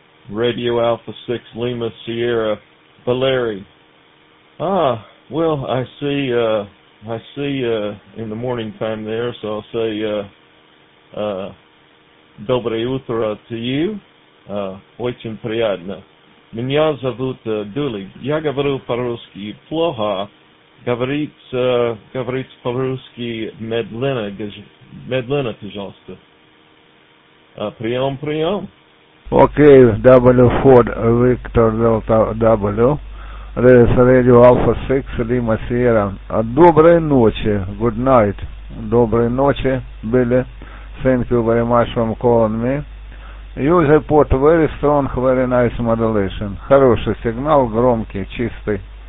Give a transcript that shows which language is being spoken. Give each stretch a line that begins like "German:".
English: Radio Alpha 6, Lima Sierra. Valeri. Ah, well, I see in the morning time there, so I'll say
Russian: Dobre utro
English: to you.
Russian: Очень приятно. Меня зовут Дули. Я говорю по-русски плохо. Говорит по-русски медленно, пожалуйста. Прием, прием.
English: Окей, W4, Victor Delta W. This is Radio Alpha 6, Lima Sierra.
Russian: Доброй ночи,
English: good night.
Russian: Доброй ночи, Billy.
English: Thank you very much for calling me. Use a port very strong, very nice modulation.
Russian: Хороший сигнал, громкий, чистый.